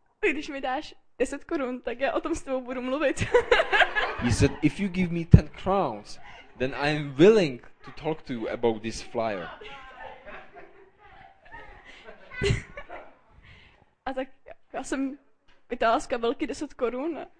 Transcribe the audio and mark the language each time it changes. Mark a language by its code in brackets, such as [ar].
[cs] Když mi dáš 10 korun, tak já o tom s tebou budu mluvit. [en] He said, if you give me 10 crowns, then I am willing to talk to you about this flyer. [cs] A tak já jsem vytáhla z kabelky 10 korun.